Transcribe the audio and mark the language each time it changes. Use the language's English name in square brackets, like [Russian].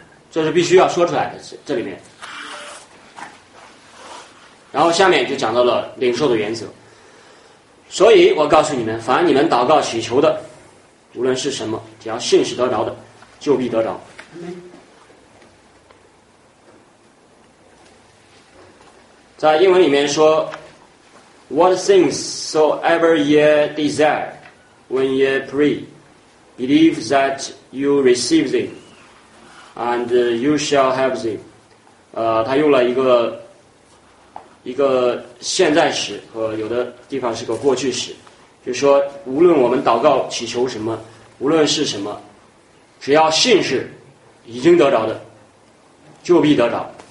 [Chinese] 这是必须要说出来的。这里面然后下面就讲到了领受的原则。所以我告诉你们，凡你们祷告祈求的无论是什么，只要信是得着的，就必得着。在英文里面说 [English] What things soever ye desire when ye pray, believe that you receive them and you shall have them。 [Chinese] 他用了一个现在时，和有的地方是个过去时，就是说无论我们祷告祈求什么，无论是什么，只要信是已经得着的，就必得着。